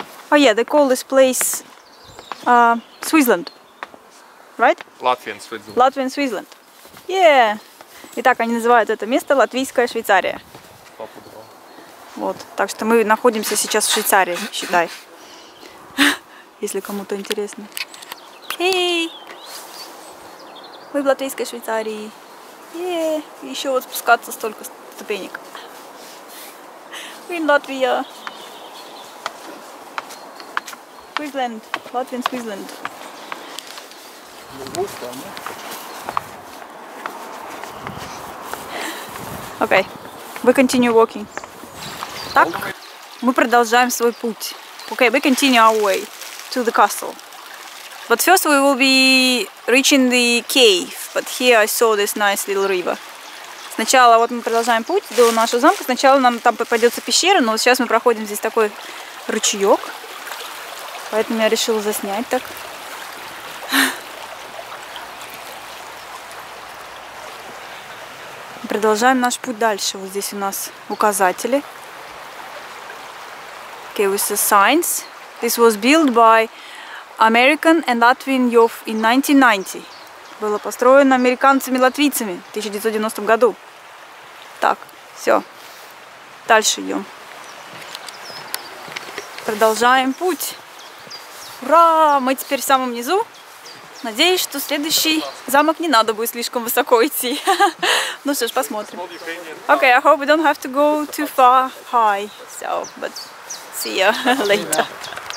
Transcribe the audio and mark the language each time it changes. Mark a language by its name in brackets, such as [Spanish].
[English] Oh yeah, they call this place Switzerland, right? Latvian Switzerland. Latvian Switzerland. Yeah. [Russian] Итак, они называют это место Латвийская Швейцария. Вот. Так что мы находимся сейчас в Швейцарии, считай. Если кому-то интересно. [English] Hey. [Russian] Мы в Латвийской Швейцарии. [English] Yeah. [Russian] Еще вот спускаться столько ступенек. [English] We in Latvia. Switzerland. Latvian Switzerland. Okay. We continue walking. [Russian] Так, мы продолжаем свой путь. [English] Okay, we continue our way to the castle. But first we will be reaching the cave. But here I saw this nice little river. [Russian] Сначала вот мы продолжаем путь до нашего замка. Сначала нам там попадется пещера, но вот сейчас мы проходим здесь такой ручеек. Поэтому я решила заснять так. Продолжаем наш путь дальше. Вот здесь у нас указатели. [English] Okay, with the signs. This was built by American and Latvian youth in 1990. [Russian] Было построено американцами-латвийцами в 1990 году. Так, все. Дальше идем. Продолжаем путь. Ура! Мы теперь в самом низу. Надеюсь, что следующий замок не надо будет слишком высоко идти. Ну что ж, посмотрим. [English] Okay, I hope we don't have to go too far high. So, but see you later.